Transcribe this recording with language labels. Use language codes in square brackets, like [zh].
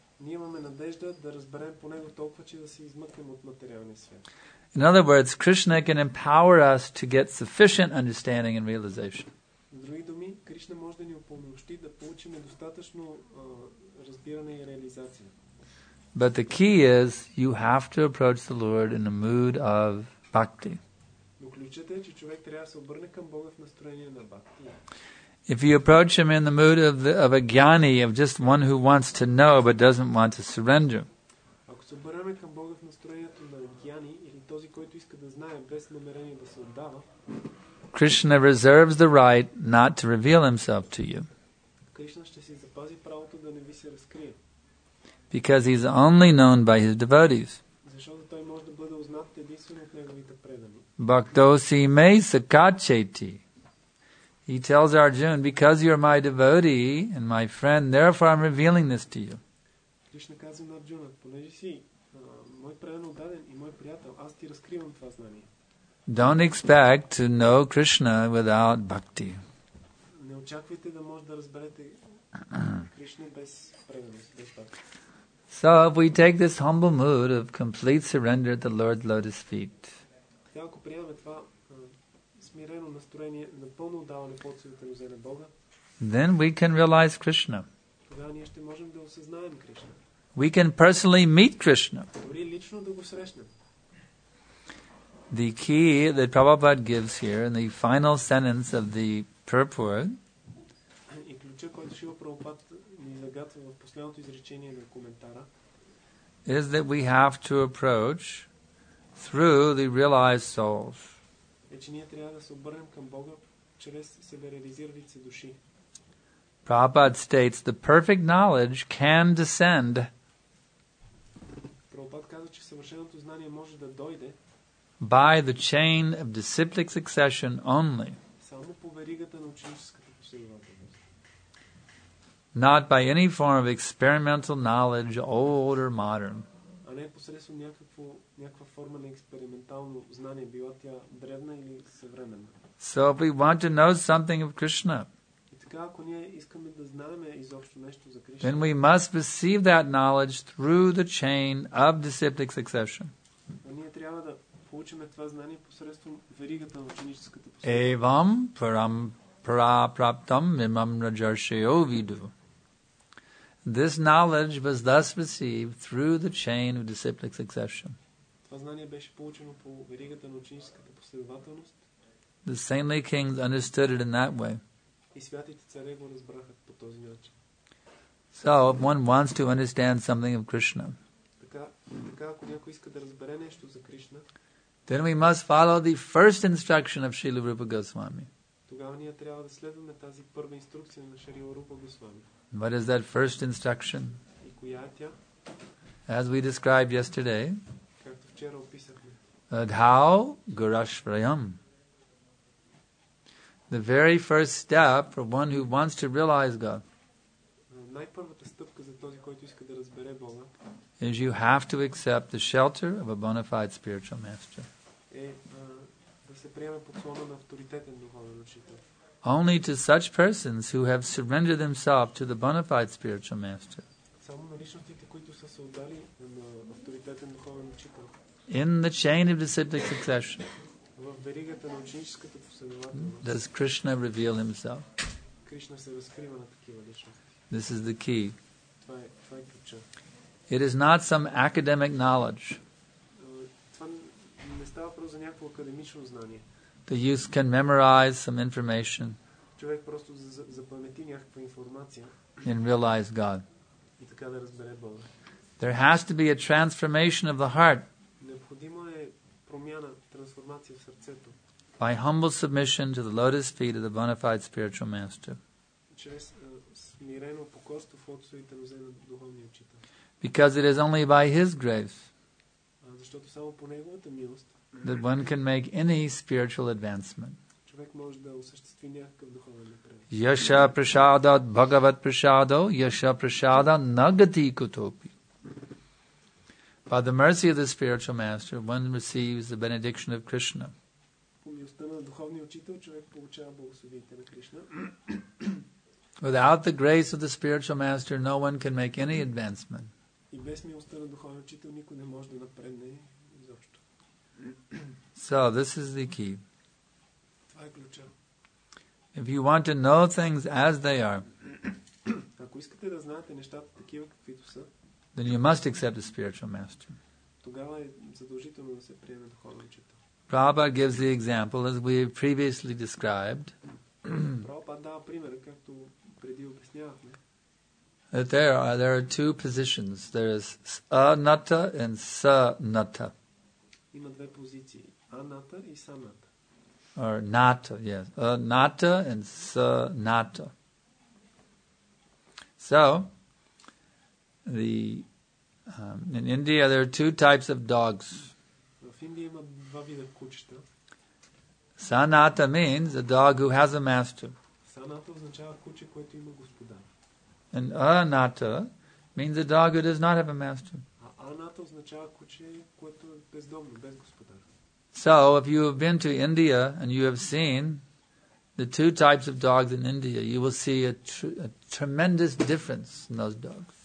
[bg] Ние имаме надежда да разберем поне до толкова, че да се измъкнем от материалния свят. [en] In other words, Krishna can empower us to get sufficient understanding and realization. [bg] В други думи, Кришна може да ни упълномощи да получим достатъчно разбиране и реализация. [en] But the key is you have to approach the Lord in a mood of bhakti. [bg] Но ключът е, че човек трябва да се обърне към Бога в настроение на бхакти. [en] If you approach him in the mood of a gyani, of just one who wants to know but doesn't want to surrender, [bg] ако се обърнем към Бога в настроението на гьяни или този, който иска да знае без намерение да се отдава, [en] Krishna reserves the right not to reveal himself to you. [bg] Кришна ще си запази правото да не ви се разкрие. [en] Because he's only known by his devotees. [bg] Защото той може да бъде узнат единствено от неговите предани. [sa] Бхактоси ме сакачети. [en] He tells Arjuna, because you are my devotee and my friend, therefore I'm revealing this to you. [bg] Krishna казва на Арджуна, понеже си мой предан отдаден и мой приятел, аз ти разкривам това знание. [en] Don't expect to know Krishna without bhakti. [bg] Не очаквайте да може да разберете Кришна без преданост, без бхакти. [en] So if we take this humble mood of complete surrender at the Lord's lotus feet. [bg] Ако приемаме това смирено настроение, напълно отдаване под светлината на Зена Бога. [en] Then we can realize Krishna. [bg] Тогава ние ще можем да осъзнаем Кришна. [en] We can personally meet Krishna. [bg] Дори лично да го срещнем. [en] The key that Prabhupada gives here in the final sentence of the purport. [bg] И ключа, който Шива Прабхупада ни загатва в последното изречение на коментара. [en] Is that we have to approach through the realized souls. [bg] Е, че ние трябва да се обърнем към Бога чрез себереализиралите души. [en] Prabhupada states the perfect knowledge can descend. [bg] Prabhupada каза, че съвършеното знание може да дойде [en] by the chain of disciplic succession only. [bg] Само по веригата на ученическата последователност. [en] Not by any form of experimental knowledge, old or modern. [bg] А не посредством някаква форма на експериментално знание, била тя древна или съвременна. [en] So if we want to know something of Krishna, [bg] и така, ако ние искаме да знаем изобщо нещо за Кришна, [en] then we must receive that knowledge through the chain of disciplic succession. [bg] А ние трябва да получим това знание посредством веригата на ученическата последователност. [sa] Evam param prapraptam mimam rajarsheyo vidu. [en] This knowledge was thus received through the chain of disciplic succession. [bg] Това знание беше получено по веригата на ученическата последователност. [en] The saintly kings understood it in that way. [bg] И святите царе го разбраха по този начин. [en] So, if one wants to understand something of Krishna, [bg] така, ако някой иска да разбере нещо за Кришна, [en] then we must follow the first instruction of Srila Rupa Goswami. [bg] Тогава ние трябва да следваме тази първа инструкция на Шрила Рупа Госвами. [en] What is that first instruction? [bg] И коя тя? [en] As we described yesterday, [bg] както вчера описахме, [sa] Adhau Gurashvrayam. [en] The very first step for one who wants to realize God. [bg] Най-първата стъпка за този, който който иска да разбере Бога, [en] is you have to accept the shelter of a bona fide spiritual master. [bg] Да се приеме под слона на авторитетен духовен учител. [en] Only to such persons who have surrendered themselves to the bona fide spiritual master. [bg] Само на личностите, които са се отдали на авторитетен духовен учител. [en] In the chain of disciplic succession. [bg] В веригата на ученическата последователност. [en] Does Krishna reveal himself? [bg] Кришна се разкрива на такива личности. [en] This is the key. [bg] Това е ключа. [en] It is not some academic knowledge. [bg] Това не става просто за някакво академично знание. [en] The youth can memorize some information. [bg] Човек просто запамети някаква информация. [en] And realize God. [bg] И така да разбере Бога. [en] There has to be a transformation of the heart. [bg] Необходима е промяна, трансформация в сърцето. [en] By humble submission to the lotus feet of the bona fide spiritual master. [bg] Чрез смирено покорство в лотосовите нозе на духовния учител. [en] Because it is only by His grace. [bg] Защото само по Неговата милост. [en] That one can make any spiritual advancement. [bg] Човек може да осъществи някакъв духовен напредък. [sa] Яша прашада от Бхагават прашадо, яша прашада нагати кутопи. [en] By the mercy of the spiritual master, one receives the benediction of Krishna. [bg] По милостта на духовния учител, човек получава благословията на Кришна. [en] Without the grace of the spiritual master, no one can make any advancement. [bg] И без милостта на духовния учител никой не може да напредне. [en] So this is the key. [bg] Това е ключа. [en] If you want to know things as they are, [bg] ако искате да знаете нещата такива каквито са, [en] then you must accept the spiritual master. [bg] Тогава е задължително да се приеме духовен учител. [en] Prabhupada gives the example as we previously described. [bg] Prabhupada дава пример, както преди обяснявахме. [en] That there are two positions. There is anatta and sanatta. [bg] Има две позиции. Anatta и sanatta. [en] Or natta, yes. Anatta and sanatta. So, in India there are two types of dogs. [bg] В Индия има два вида кучета. [en] Sanatta means a dog who has a master. [bg] Sanatta означава куче, което има господар. [en] And anatta means a dog who does not have a master. [bg] Anatta означава куче, което е бездомно, без господар. [en] So, if you have been to India and you have seen the two types of dogs in India, you will see a tremendous difference in those dogs.